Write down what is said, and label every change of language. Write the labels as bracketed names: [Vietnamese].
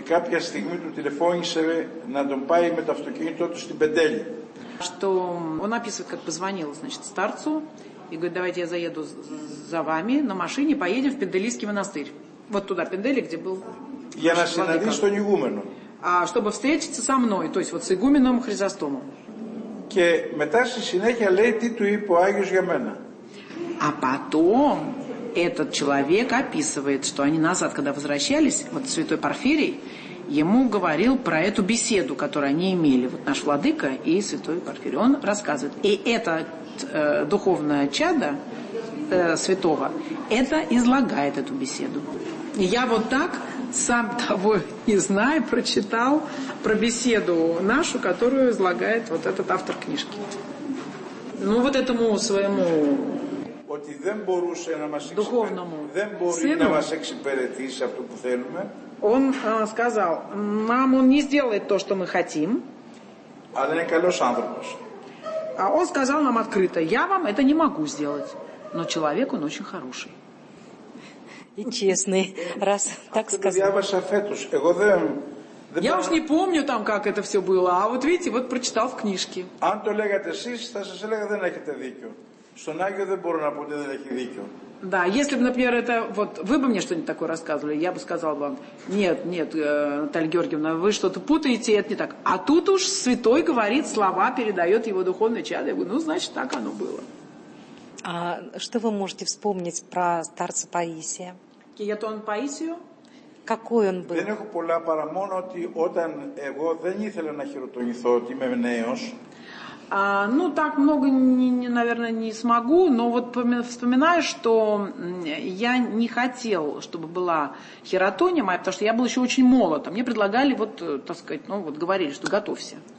[Greek] κάποια στιγμή του τηλεφώνησε να τον πάει με το αυτοκίνητό του στην Πεντέλη. [Russian] Что он описывает, как позвонил, значит, старцу и говорит, давайте я заеду за вами на машине, поедем в Пенделийский монастырь. Вот туда, Пенделий, где был. [Greek] Για να συναντήσω τον Ιγούμενο. [Russian] А чтобы встретиться со мной, то есть вот с Игуменом Хризостомом. [Greek] Και μετά στη συνέχεια λέει τι του είπε ο Άγιος για μένα. [Russian] А потом этот человек описывает, что они назад, когда возвращались, вот святой Порфирий, ему говорил про эту беседу, которую они имели, вот наш владыка и святой Порфирий. Он рассказывает. И это духовное чадо святого, это излагает эту беседу. Я вот так, сам того не знаю, прочитал про беседу нашу, которую излагает вот этот автор книжки. Ну, вот этому своему [Greek] ότι δεν μπορούσε να μας εξυπηρετήσει, δεν μπορεί να μας εξυπηρετήσει αυτό που θέλουμε. [Russian] Он сказал, нам он не сделает то, что мы хотим. [Greek] Αλλά είναι καλός άνθρωπος. [Russian] А он сказал нам открыто, я вам это не могу сделать, но человек он очень хороший. И честный, раз так сказал. Я ваша фетуш, [Greek] εγώ δεν. [Russian] Я уж не помню там, как это все было, а вот видите, вот прочитал в книжке. [Greek] Αν το λέγατε εσείς, θα σας έλεγα δεν έχετε δίκιο. Στον Άγιο δεν μπορώ να πω ότι δεν έχει δίκιο. [Russian] Да, если бы, например, это вот вы бы мне что-нибудь такое рассказывали, я бы сказала вам, нет, нет, Наталья Георгиевна, вы что-то путаете, это не так. А тут уж святой говорит слова, передает его духовное чадо. Я говорю, ну, значит, так оно было. А что вы можете вспомнить про старца Паисия? [Greek] Киетон Паисию? [Russian] Какой он был? [Greek] Δεν έχω πολλά παρά μόνο ότι όταν εγώ δεν ήθελα να χειροτονηθώ ότι είμαι νέος. [Russian] Ну, так много, наверное, не смогу, но вот вспоминаю, что я не хотел, чтобы была хиротония моя, потому что я был еще очень молод. Мне предлагали, вот, так сказать, ну, вот говорили, что готовься.